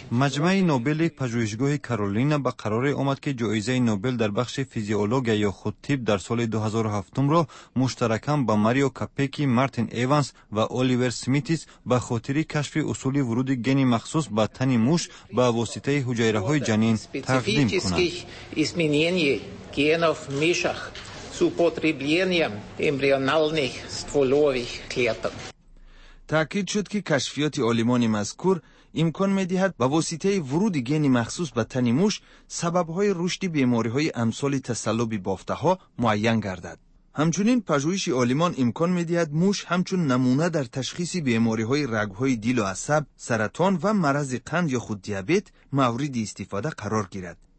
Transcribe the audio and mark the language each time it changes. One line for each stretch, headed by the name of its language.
Tajik: Маҷмаи Нобели пажӯҳишгоҳи Каролина ба қароре омад, ки ҷоизаи Нобел дар бахши физиология ё худтиб дар соли 2007-ро муштаракан ба Марио Капеки, Мартин Еванс ва Оливер Смитис ба хотири кашфи усули вуруди гени махсус ба тани муш ба воситаи ҳуҷайраҳои ҷанин тақдим кунад.
Russian: С употреблением эмбриональных стволовых клеток.
Tajik: Таъкид шуд, ки кашфиёти олимони мазкур имкон медиҳад ба воситаи вуруди гени махсус ба тани муш сабабҳои рушди бемориҳои амсоли тасаллуби бофтаҳо муайян гардад. Ҳамчунин пажӯҳиши олимон имкон медиҳад муш ҳамчун намуна дар ташхиси бемориҳои рагҳои дилу асаб, саратон ва марази қанд ё худ диабет мавриди истифода қарор гирад.